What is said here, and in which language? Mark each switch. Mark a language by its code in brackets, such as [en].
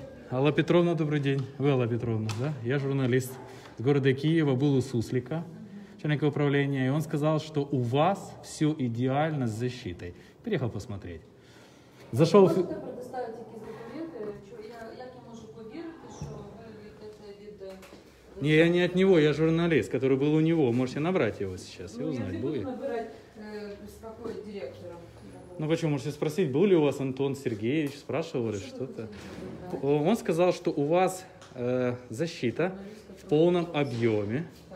[ru] Алла Петровна, добрый день. Вы Алла Петровна, да? Я журналист с города Киева, был у Суслика, начальника управления, и он сказал, что у вас все идеально с защитой. Приехал посмотреть. [uk] Зайшов. Можете предоставити якісь документи? Як я можу повірити, що ви це від... [ru] Не, я не от него, я журналист, который был у него. Можете набрать его сейчас и узнать, будет. Ну, я не буду набирать, успокоить директора. Ну, почему? Можете спросить, был ли у вас Антон Сергеевич, спрашивали что-то. Он сказал, что у вас защита в полном объеме.